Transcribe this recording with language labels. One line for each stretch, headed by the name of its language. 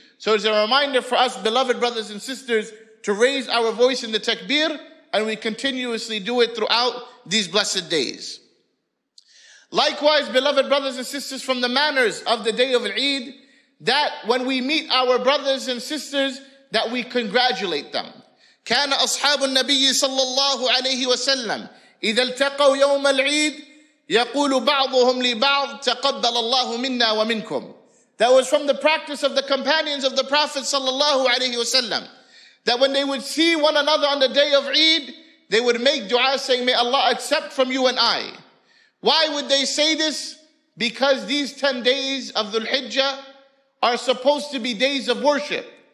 English: So it's a reminder for us, beloved brothers and sisters, to raise our voice in the takbir, and we continuously do it throughout these blessed days. Likewise, beloved brothers and sisters, from the manners of the day of Eid, that when we meet our brothers and sisters, that we congratulate them.
Arabic: كان أصحاب النبي صلى الله عليه وسلم إذا التقوا يوم العيد يقول بعضهم لبعض تقبل الله منا ومنكم.
English: That was from the practice of the companions of the Prophet صلى الله عليه وسلم, that when they would see one another on the day of Eid, they would make dua saying, may Allah accept from you and I. Why would they say this? Because these 10 days of Dhul-Hijjah are supposed to be days of worship.